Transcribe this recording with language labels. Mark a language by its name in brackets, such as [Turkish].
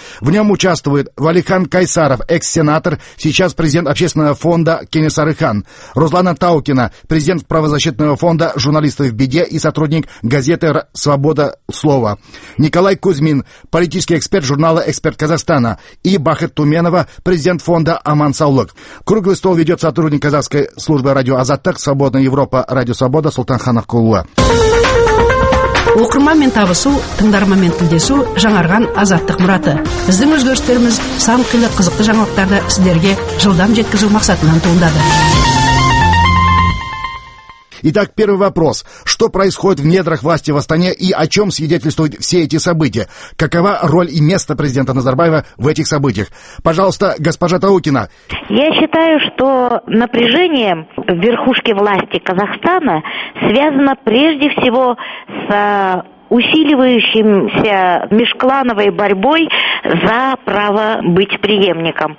[Russian] В нем участвует Валихан Кайсаров, экс-сенатор, сейчас президент общественного фонда Кенесарыхан, Руслана Таукина, президент правозащитного фонда «Журналисты в беде» и сотрудник газеты «Свобода слова». Николай Кузьмин, политический эксперт журнала «Эксперт Казахстана». И Бахыт Туменова, президент фонда «Аман Саулык». Круглый стол ведет сотрудник казахской службы радио «Азаттык», «Свободная Европа», «Радио Свобода», Султанхан Аққұлұлы. [Kazakh] Оқырман мен табысу, тыңдар мен тілдесу жаңарған азаттық мұраты. Біздің өзгерістеріміз сан қилы қызықты жаңалықтарды сіздерге жылдам жеткізу мақсатынан туындады. [Russian] Итак, первый вопрос. Что происходит в недрах власти в Астане и о чем свидетельствуют все эти события? Какова роль и место президента Назарбаева в этих событиях? Пожалуйста, госпожа Таукина. Я считаю, что напряжение в верхушке власти Казахстана связано прежде всего с усиливающимся межклановой борьбой за право быть преемником.